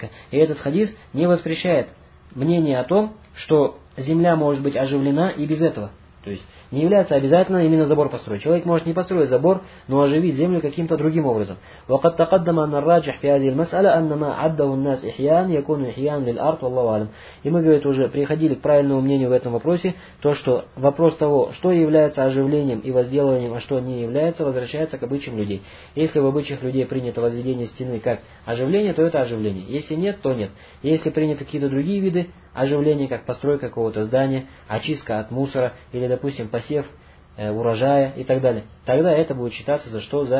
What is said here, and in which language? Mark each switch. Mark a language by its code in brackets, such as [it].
[ru] И этот хадис не воспрещает мнение о том, что земля может быть оживлена и без этого. То есть не является обязательно именно забор построить. Человек может не построить забор, но оживить землю каким-то другим образом. [ar] وقد تقدم أن الراجح في هذه المسألة أن ما عده الناس إحيان يكون إحيان للأرض والله أعلم. [ru] И мы, говорит, уже приходили к правильному мнению в этом вопросе, то что вопрос того, что является оживлением и возделыванием, а что не является, возвращается к обычаям людей. Если в обычаях людей принято возведение стены как оживление, то это оживление. Если нет, то нет. Если приняты какие-то другие виды оживления, как постройка какого-то здания, очистка от мусора или, допустим, посев урожая и так далее, тогда это будет считаться за что?